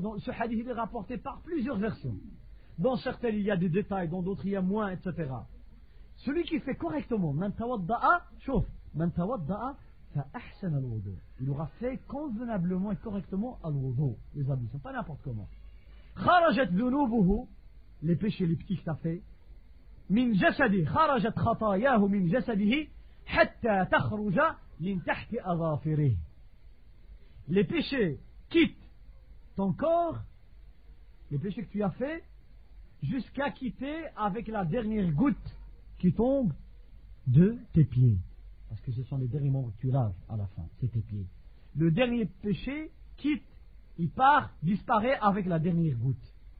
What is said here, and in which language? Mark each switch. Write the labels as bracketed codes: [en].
[fr] Donc ce hadith est rapporté par plusieurs versions. Dans certaines il y a des détails, dans d'autres il y a moins, etc. Celui qui fait correctement, [ar] man tawadda'a, chauffe, man tawadda'a fa ahsana al-wudu. [fr] Il aura fait convenablement et correctement al-wudu, les ablutions, pas n'importe comment. [ar] Kharajat dhunubuhu, [fr] les péchés, les petits que t'as fait. [ar] من جسدي خرجت خطاياه من جسده حتى تخرج من تحت أظافره. [fr] Les péchés quittent ton corps, les péchés que tu as fait, jusqu'à quitter avec la dernière goutte qui tombe de tes pieds. Parce que ce sont les derniers membres que tu laves à la fin, c'est tes pieds. Le dernier péché quitte, il part, disparaît avec la dernière goutte.